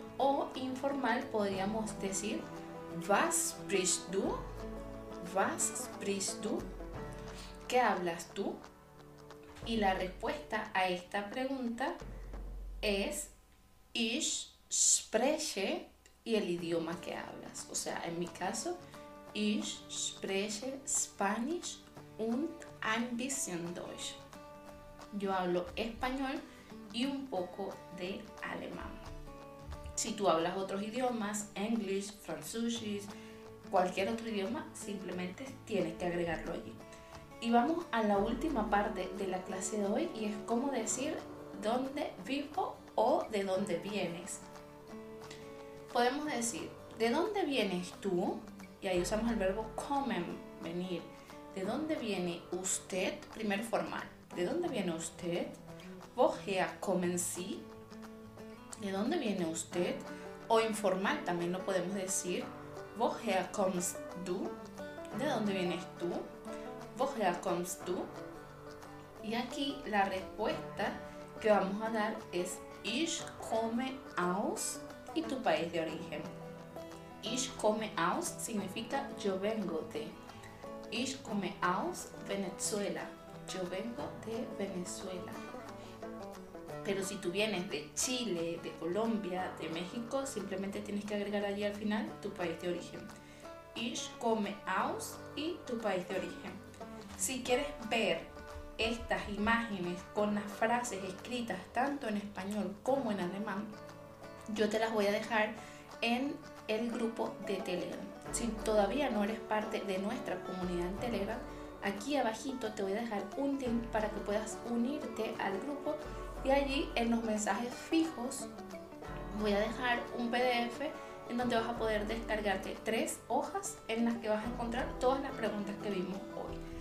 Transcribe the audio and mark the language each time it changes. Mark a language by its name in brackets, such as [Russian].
[Spanish] O informal podríamos decir [German] Was sprichst du? Was sprichst du? [Spanish] ¿Qué hablas tú? Y la respuesta a esta pregunta es [German] Ich spreche [Spanish] y el idioma que hablas. O sea, en mi caso, [German] Ich spreche Spanish und ein bisschen Deutsch. [Spanish] Yo hablo español y un poco de alemán. Si tú hablas otros idiomas, English, Französisch, cualquier otro idioma, simplemente tienes que agregarlo allí. Y vamos a la última parte de la clase de hoy y es cómo decir dónde vivo o de dónde vienes. Podemos decir, ¿de dónde vienes tú? Y ahí usamos el verbo kommen, venir. ¿De dónde viene usted? Primer formal. ¿De dónde viene usted? [German] ¿Woher kommen Sie? [Spanish] ¿De dónde viene usted? O informal también lo podemos decir. [German] ¿Woher kommst du? [Spanish] ¿De dónde vienes tú? [German] ¿Woher kommst du? [Spanish] Y aquí la respuesta que vamos a dar es [German] Ich komme aus [Spanish] y tu país de origen. [German] Ich komme aus [Spanish] significa yo vengo de. [German] Ich komme aus Venezuela. [Spanish] Yo vengo de Venezuela. Pero si tú vienes de Chile, de Colombia, de México, simplemente tienes que agregar allí al final tu país de origen. [German] Ich komme aus [Spanish] y tu país de origen. Si quieres ver estas imágenes con las frases escritas tanto en español como en alemán, yo te las voy a dejar en el grupo de Telegram. Si todavía no eres parte de nuestra comunidad en Telegram, aquí abajito te voy a dejar un link para que puedas unirte al grupo y allí en los mensajes fijos voy a dejar un PDF en donde vas a poder descargarte 3 hojas en las que vas a encontrar todas las preguntas que vimos hoy.